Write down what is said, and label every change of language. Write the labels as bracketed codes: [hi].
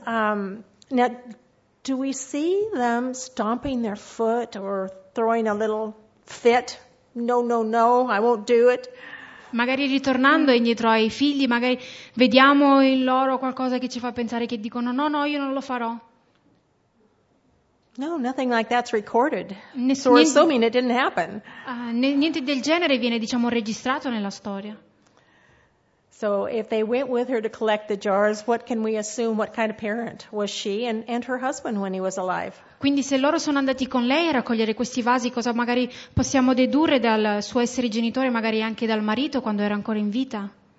[en] Now, do we see them stomping their foot or throwing a little fit? No, no, no, I won't do it. [it] Magari ritornando indietro ai figli, magari vediamo in loro qualcosa che ci fa pensare che dicono no, no, io non lo farò. [en] No, nothing like that's recorded. So we're assuming it didn't happen. [it] Niente del genere viene, diciamo, registrato nella storia. [en] So if they went with her to collect the jars, what can we assume? What kind of parent was she and her husband when he was alive? [it] Quindi se loro sono andati con lei a raccogliere questi vasi, cosa magari possiamo dedurre dal suo essere genitore, magari anche dal marito quando era ancora in vita?